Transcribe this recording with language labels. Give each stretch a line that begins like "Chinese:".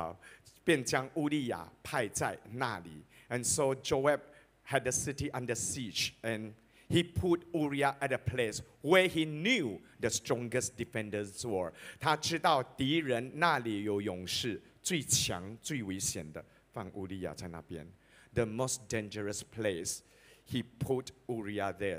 Chinese: 约押围困城的时候，便将乌利亚派在那里，
English: and so Joab had the city under siege, and he put Uriah at a place where he knew the strongest defenders were.
Chinese: 他知道敌人那里有勇士，最强最危险的，放乌利亚在那边。
English: The most dangerous place, he put Uriah there.